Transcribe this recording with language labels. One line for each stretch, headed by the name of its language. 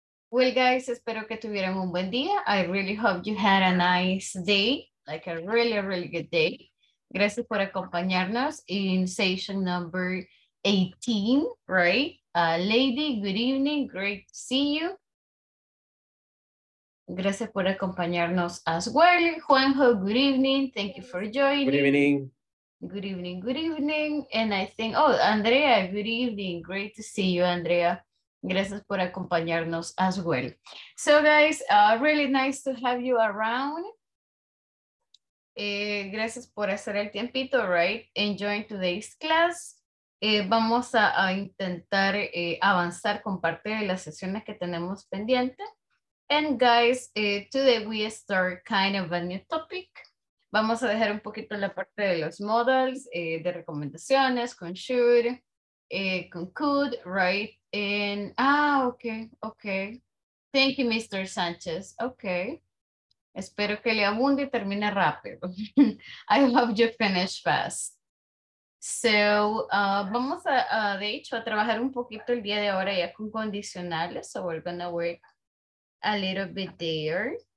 English: Well, guys,
Spanish: espero que tuvieran un buen día.
English: I really hope you had a nice day, like a really, really good day.
Spanish: Gracias por acompañarnos
English: in session number 18, right? Lady, good evening. Great to see you.
Spanish: Gracias por acompañarnos
English: as well. Juanjo, good evening. Thank you for joining. Good evening. Good evening, good evening. And I think, oh, Andrea, good evening. Great to see you, Andrea.
Spanish: Gracias por acompañarnos
English: as well. So guys, really nice to have you around.
Spanish: Gracias por hacer el tiempito, right?
English: Enjoying today's class.
Spanish: Vamos a intentar avanzar con parte de las sesiones que tenemos pendiente.
English: And guys, today we start kind of a new topic.
Spanish: Vamos a dejar un poquito la parte de los models, de recomendaciones, con should, con could, right?
English: And, okay. Thank you, Mr. Sanchez. Okay.
Spanish: Espero que le abunde y termine rápido.
English: I hope you finish fast.
Spanish: So, vamos a, de hecho, a trabajar un poquito el día de ahora ya con condicionales.
English: So, we're going to work a little bit there.